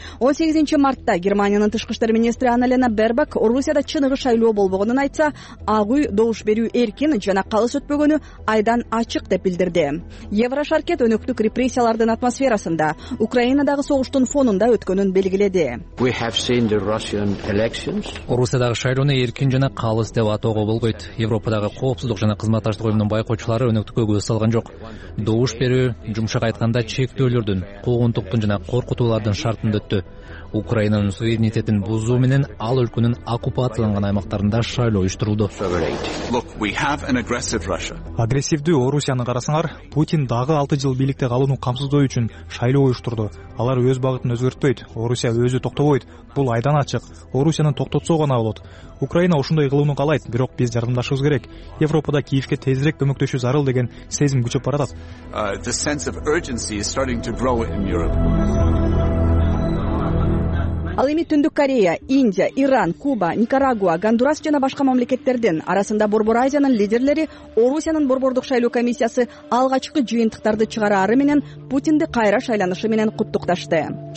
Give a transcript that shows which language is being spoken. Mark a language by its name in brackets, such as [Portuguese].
[Kyrgyz] 18 мартта Германиянын тышкы иштер министри Аннелена Бербак Орусияда чыныгы шайлоо болбогонун айтса, Ак Үй добуш берүү эркин жана калыс өтпөгөнү айдан ачык деп билдирди. Еврошаркет өнөктүк репрессиялардын атмосферасында Украина дагы согуштун фонунда өткөнүн белгиледи. [English] We have seen the Russian elections. [Kyrgyz] Орусиядагы шайлоону эркин жана калыс деп атоого болбойт. Европадагы коопсуздук жана кызматташтык уюмунун байкоочулары өнөктүккө көз салган жок. Добуш берүү жумшак айтканда чектөөлөрдүн, куугунтуктун жана коркутуулардын шартында өттү. Украинанын суверенитетин бузуу менен ал өлкөнүн оккупацияланган аймактарында шайлоо уюштурулду. [English] Look, we have an aggressive Russia. [Kyrgyz] Агрессивдүү Орусияны карасаңар, Путин дагы 6 жыл бийликте калууну камсыздоо үчүн шайлоо уюштурду. Алар өз багытын өзгөртпөйт. Орусия өзү токтобойт. Бул айдан ачык. Орусияны токтотсо гана болот. Украина ошондой кылууну каалайт, бирок биз жардамдашыбыз керек. Европада Киевке тезирээк көмөктөшүү зарыл деген сезим күчөп баратат. [English] The sense of urgency is starting to grow in Europe. [Kyrgyz] Ал эми Түндүк Корея, Индия, Иран, Куба, Никарагуа, Гондурас жана башка мамлекеттердин арасында Борбор Азиянын лидерлери Орусиянын борбордук шайлоо комиссиясы алгачкы жыйынтыктарды чыгараары менен Путинди кайра шайланышы менен куттукташты.